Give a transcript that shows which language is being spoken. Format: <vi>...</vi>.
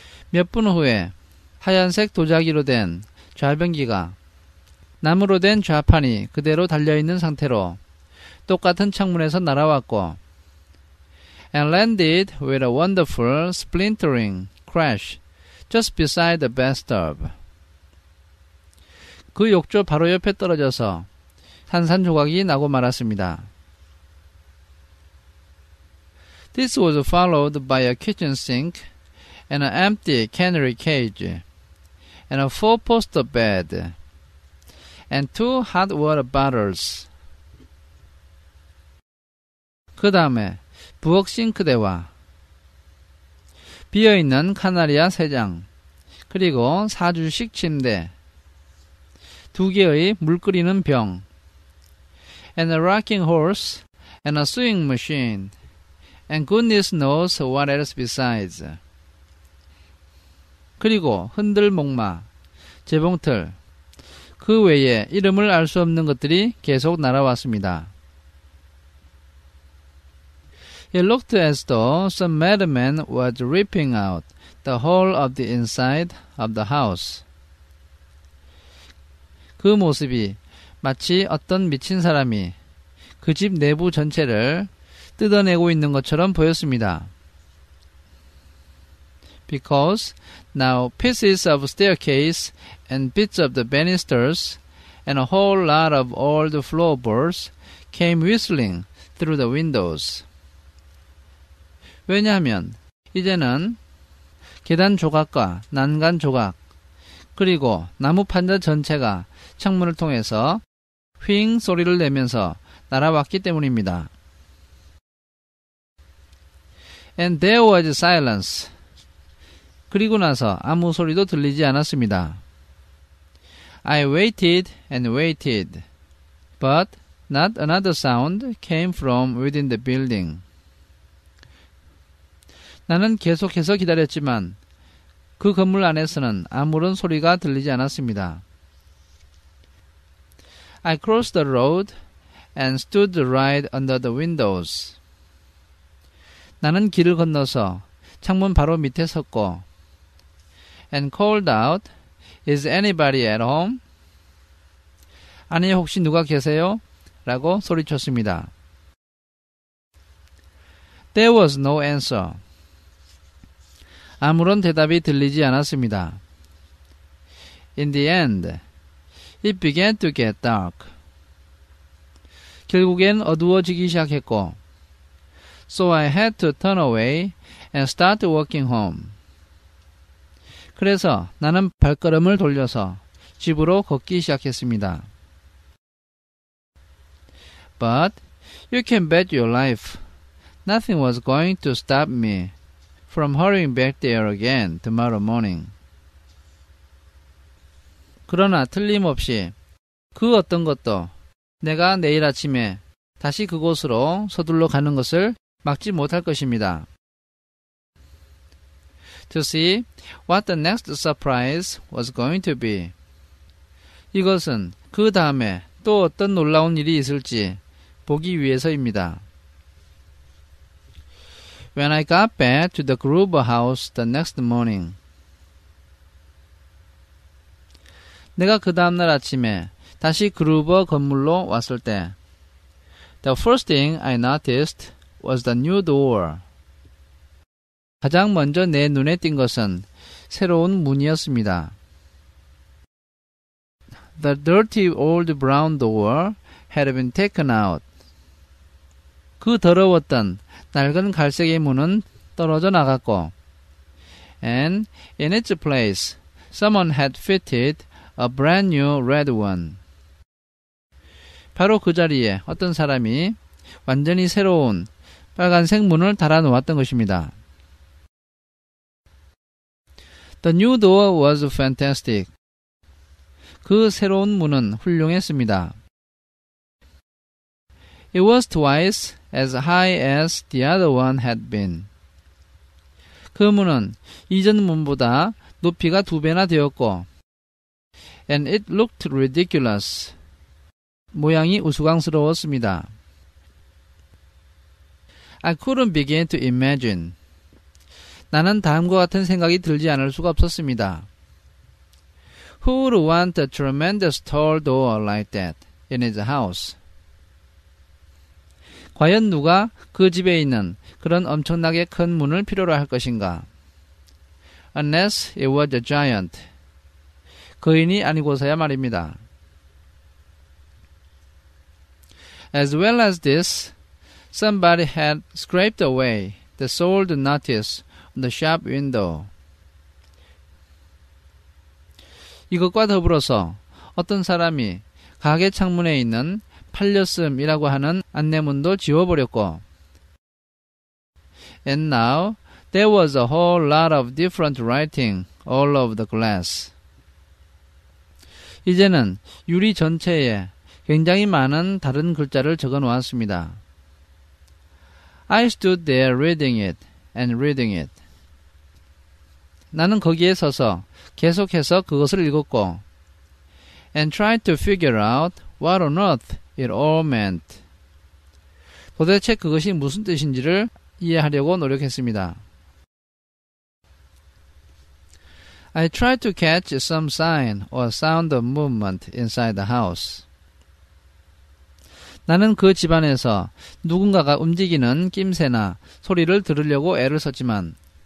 <ko>몇 분 후에 하얀색 도자기로 된 좌변기가 나무로 된 좌판이 그대로 달려있는 상태로 똑같은 창문에서 날아왔고</ko> <en>and landed with a wonderful splintering crash just beside the bathtub.</en> <ko>그 욕조 바로 옆에 떨어져서 산산조각이 나고 말았습니다.</ko> <en>This was followed by a kitchen sink and an empty canary cage and a four-poster bed and two hot water bottles.</en> <ko>그 다음에 부엌 싱크대와 비어있는 카나리아 3장 그리고 4주식 침대 두 개의 물 끓이는 병</ko> <en>and a rocking horse and a sewing machine and goodness knows what else besides.</en> <ko>그리고 흔들 목마 재봉틀 그 외에 이름을 알 수 없는 것들이 계속 날아왔습니다.</ko> <en>It looked as though some madman was ripping out the whole of the inside of the house.</en> <ko>그 모습이 마치 어떤 미친 사람이 그 집 내부 전체를 뜯어내고 있는 것처럼 보였습니다.</ko> <en>Because now pieces of staircase and bits of the banisters and a whole lot of old floorboards came whistling through the windows.</en> <ko>왜냐하면 이제는 계단 조각과 난간 조각 그리고 나무 판자 전체가 창문을 통해서 휑 소리를 내면서 날아왔기 때문입니다.</ko> <en>And there was silence.</en> <ko>그리고 나서 아무 소리도 들리지 않았습니다.</ko> <en>I waited and waited, but not another sound came from within the building.</en> <ko>나는 계속해서 기다렸지만 그 건물 안에서는 아무런 소리가 들리지 않았습니다.</ko> <en>I crossed the road and stood right under the windows.</en> <ko>나는 길을 건너서 창문 바로 밑에 섰고</ko> <en>and called out, Is anybody at home?</en> <ko>아니, 혹시 누가 계세요? 라고 소리쳤습니다.</ko> <en>There was no answer.</en> <ko>아무런 대답이 들리지 않았습니다.</ko> <en>In the end, it began to get dark.</en> <ko>결국엔 어두워지기 시작했고,</ko> <en>So I had to turn away and start walking home.</en> <ko>그래서 나는 발걸음을 돌려서 집으로 걷기 시작했습니다.</ko> <en>But you can bet your life, nothing was going to stop me from hurrying back there again tomorrow morning.</en> <ko>그러나 틀림없이 그 어떤 것도 내가 내일 아침에 다시 그곳으로 서둘러 가는 것을 막지 못할 것입니다.</ko> <en>To see what the next surprise was going to be,</en> <ko>이것은 그 다음에 또 어떤 놀라운 일이 있을지 보기 위해서입니다.</ko> <en>When I got back to the Gruber house the next morning,</en> <ko>내가 그 다음날 아침에 다시 그루버 건물로 왔을 때,</ko> <en>The first thing I noticed was the new door.</en> <ko>가장 먼저 내 눈에 띈 것은 새로운 문이었습니다.</ko> <en>The dirty old brown door had been taken out.</en> <ko>그 더러웠던 낡은 갈색의 문은 떨어져 나갔고,</ko> <en>And in its place, someone had fitted a brand new red one.</en> <ko>바로 그 자리에 어떤 사람이 완전히 새로운 빨간색 문을 달아 놓았던 것입니다.</ko> <en>The new door was fantastic.</en> <ko>그 새로운 문은 훌륭했습니다.</ko> <en>It was twice as high as the other one had been.</en> <ko>그 문은 이전 문보다 높이가 두 배나 되었고,</ko> <en>And it looked ridiculous.</en> <ko>모양이 우스꽝스러웠습니다.</ko> <en>I couldn't begin to imagine.</en> <ko>나는 다음과 같은 생각이 들지 않을 수가 없었습니다.</ko> <en>Who would want a tremendous tall door like that in his house?</en> <ko>과연 누가 그 집에 있는 그런 엄청나게 큰 문을 필요로 할 것인가?</ko> <en>Unless it was a giant.</en> <ko>거인이 아니고서야 말입니다.</ko> <en>As well as this, somebody had scraped away the sold notice on the shop window.</en> <ko>이것과 더불어서 어떤 사람이 가게 창문에 있는 팔렸음이라고 하는 안내문도 지워버렸고,</ko> <en>And now there was a whole lot of different writing all over the glass.</en> <ko>이제는 유리 전체에 굉장히 많은 다른 글자를 적어 놓았습니다.</ko> <en>I stood there reading it and reading it.</en> <ko>나는 거기에 서서 계속해서 그것을 읽었고,</ko> <en>And tried to figure out what on earth it all meant.</en> <ko>도대체 그것이 무슨 뜻인지를 이해하려고 노력했습니다.</ko> <en>I tried to catch some sign or sound of movement inside the house.</en> <ko>나는 그 집안에서 누군가가 움직이는 낌새나 소리를 들으려고 애를 썼지만,</ko>